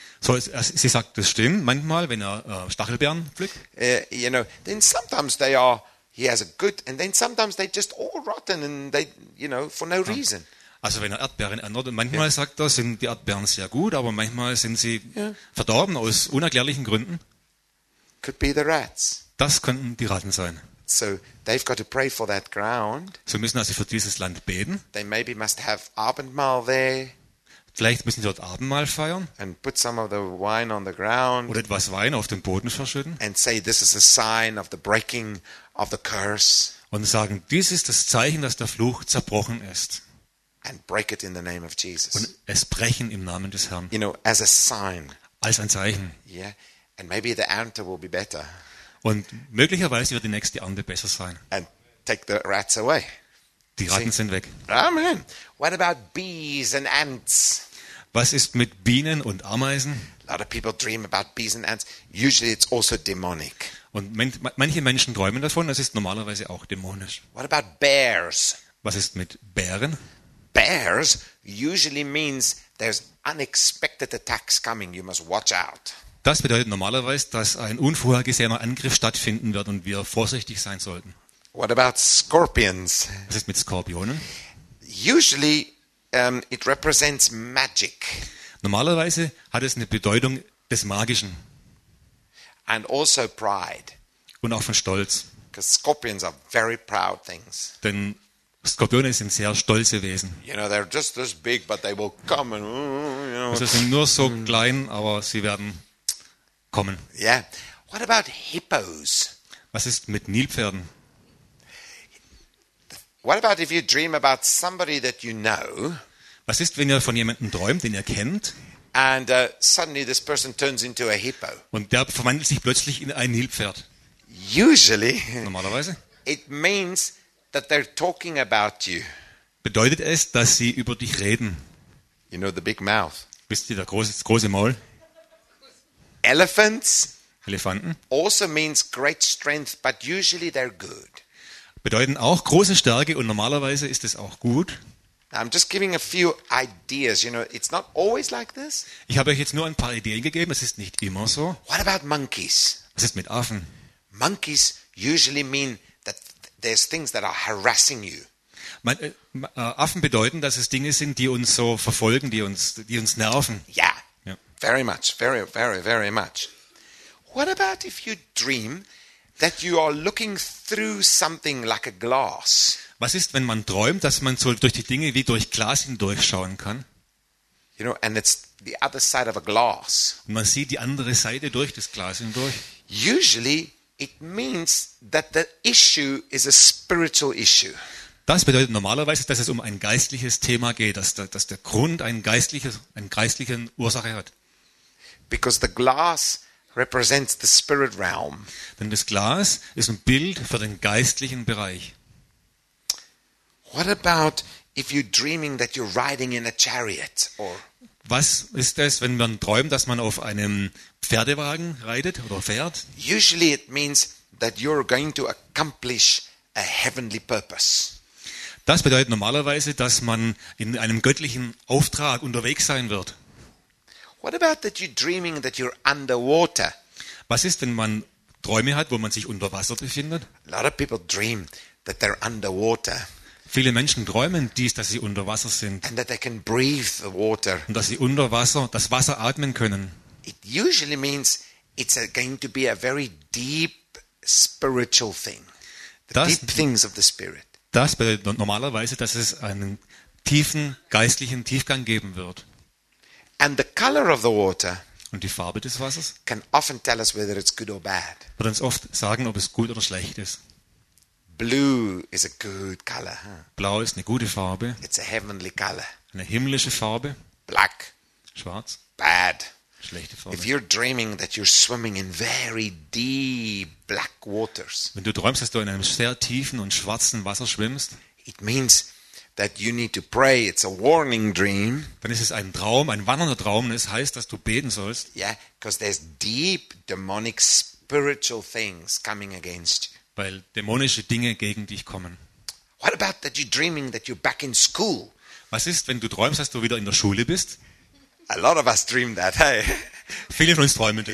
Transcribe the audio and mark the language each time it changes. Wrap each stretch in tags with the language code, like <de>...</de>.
<de>So sie sagt, das stimmt. Manchmal, wenn er Stachelbeeren pflückt.</de> <en>You know, then sometimes they are he has a good, and then sometimes they just all rotten and they, you know, for no reason.</en> <de>Also wenn er Erdbeeren ernährt, manchmal sagt er, sind die Erdbeeren sehr gut, aber manchmal sind sie verdorben aus unerklärlichen Gründen.</de> <en>Could be the rats.</en> <de>Das könnten die Ratten sein.</de> <en>So they've got to pray for that ground.</en> <de>Sie müssen also für dieses Land beten.</de> <en>They maybe must have Abendmahl there.</en> <de>Vielleicht müssen sie dort Abendmahl feiern.</de> <en>And put some of the wine on the ground.</en> <de>Oder etwas Wein auf den Boden verschütten.</de> <en>And say this is a sign of the breaking of the curse.</en> <de>Und sagen, dies ist das Zeichen, dass der Fluch zerbrochen ist.</de> <en>And break it in the name of Jesus.</en> <de>Und es brechen im Namen des Herrn.</de> <en>You know, as a sign.</en> <de>Als ein Zeichen.</de> <en>Yeah. And maybe the ernte will be better.</en> <de>Und möglicherweise wird die nächste Ernte besser sein.</de> <en>And take the rats away.</en> <de>Die Ratten sind weg.</de> <en>Amen. What about bees and ants?</en> <de>Was ist mit Bienen und Ameisen?</de> <en>A lot of people dream about bees and ants. Usually it's also demonic.</en> <de>Und manche Menschen träumen davon. Das ist normalerweise auch dämonisch.</de> <en>What about bears?</en> <de>Was ist mit Bären?</de> <en>Bears usually means there's unexpected attacks coming. You must watch out.</en> <de>Das bedeutet normalerweise, dass ein unvorhergesehener Angriff stattfinden wird und wir vorsichtig sein sollten.</de> <en>What about scorpions?</en> <de>Was ist mit Skorpionen?</de> <en>Usually it represents magic.</en> <de>Normalerweise hat es eine Bedeutung des Magischen.</de> <en>And also pride.</en> <de>Und auch von Stolz.</de> <en>Because scorpions are very proud things.</en> <de>Denn Skorpione sind sehr stolze Wesen.</de> <en>You know, they're just this big, but they will come and, you know.</en> <de>Sie sind nur so klein, aber sie werden kommen.</de> <en>Yeah. What about hippos?</en> <de>Was ist mit Nilpferden?</de> <en>What about if you dream about somebody that you know?</en> <de>Was ist, wenn ihr von jemandem träumt, den ihr kennt?</de> <en>And suddenly this person turns into a hippo.</en> <de>Und der verwandelt sich plötzlich in ein Nilpferd.</de> <en>Usually.</en> <de>Normalerweise.</de> <en>It means that they're talking about you.</en> <de>Bedeutet es, dass sie über dich reden?</de> <en>You know the big mouth.</en> <de>Wisst ihr, das große Maul?</de> <en>Elephants.</en> <de>Elefanten.</de> <en>Also means great strength, but usually they're good.</en> <de>Bedeuten auch große Stärke und normalerweise ist es auch gut.</de> <en>I'm just giving a few ideas. You know, it's not always like this.</en> <de>Ich habe euch jetzt nur ein paar Ideen gegeben. Es ist nicht immer so.</de> <en>What about monkeys?</en> <de>Was ist mit Affen?</de> <en>Monkeys usually mean that there's things that are harassing you.</en> <de>Affen bedeuten, dass es Dinge sind, die uns so verfolgen, die uns nerven. Ja.</de> <en>Very much, very, very, very much. What about if you dream that you are looking through something like a glass?</en> <de>Was ist, wenn man träumt, dass man so durch die Dinge wie durch Glas hindurchschauen kann?</de> <en>You know, and it's the other side of a glass.</en> <de>Und man sieht die andere Seite durch das Glas hindurch.</de> <en>Usually it means that the issue is a spiritual issue.</en> <de>Das bedeutet normalerweise, dass es um ein geistliches Thema geht, dass der Grund einen geistlichen Ursache hat.</de> <en>Because the glass represents the spirit realm.</en> <de>Denn das Glas ist ein Bild für den geistlichen Bereich.</de> <en>What about if you're dreaming that you're riding in a chariot or?</en> <de>Was ist das, wenn man träumt, dass man auf einem Pferdewagen reitet oder fährt?</de> <en>Usually it means that you're going to accomplish a heavenly purpose.</en> <de>Das bedeutet normalerweise, dass man in einem göttlichen Auftrag unterwegs sein wird.</de> <en>What about that you're dreaming that you're underwater?</en> <de>Was ist, wenn man Träume hat, wo man sich unter Wasser befindet?</de> <en>A lot of people dream that they're underwater.</en> <de>Viele Menschen träumen dies, dass sie unter Wasser sind.</de> <en>And that they can breathe the water.</en> <de>Und dass sie unter Wasser das Wasser atmen können.</de> <en>It usually means it's going to be a very deep spiritual thing. The deep things of the spirit.</en> <de>Das bedeutet normalerweise, dass es einen tiefen geistlichen Tiefgang geben wird.</de> <en>And the color of the water</en> <de>und die Farbe des Wassers</de> <en>can often tell us whether it's good or bad.</en> <de>Wird uns oft sagen, ob es gut oder schlecht ist.</de> <en>Blue is a good color, huh?</en> <de>Blau ist eine gute Farbe.</de> <en>It's a heavenly color.</en> <de>Eine himmlische Farbe.</de> <en>Black.</en> <de>Schwarz.</de> <en>Bad.</en> <de>Schlechte Farbe.</de> <en>If you're dreaming that you're swimming in very deep black waters.</en> <de>Wenn du träumst, dass du in einem sehr tiefen und schwarzen Wasser schwimmst,</de> <en>it means that you need to pray. It's a warning dream.</en> <de>Dann ist es ein Traum, ein warnender Traum. Es heißt, dass du beten sollst.</de> <en>Yeah, because there's deep demonic spiritual things coming against you.</en> <de>Weil dämonische Dinge gegen dich kommen.</de> <en>What about that you're dreaming that you're back in school?</en> <de>Was ist, wenn du träumst, dass du wieder in der Schule bist?</de> <en>A lot of us dream that. Hey.</en> <de>Viele von uns träumen das.</de>